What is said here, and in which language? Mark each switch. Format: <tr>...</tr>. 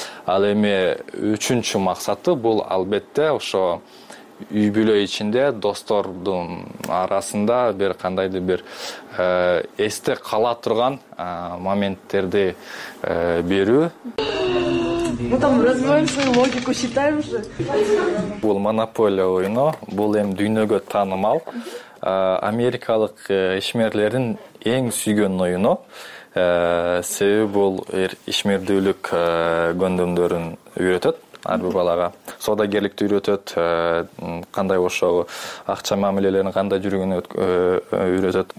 <ky>Ал эми үчүнчү максаты бул албетте ошо үй бүлө ичинде достордун арасында бир кандайдыр бир эсте кала турган моменттерди берүү.</ky> <ru>Мы там развиваем свою логику, считаем же.</ru> <ky>Бул монополия ойно, бул эми дүйнөгө таанымал. Америкалык ишмерлердин эң сүйгөн ойно. Себеби бул ишмердүүлүк көндөмдөрүн үйрөтөт. Ар бир балага соодагерликти үйрөтөт, кандай болсо акча мамилелерин кандай жүргөнүн үйрөтөт.</ky>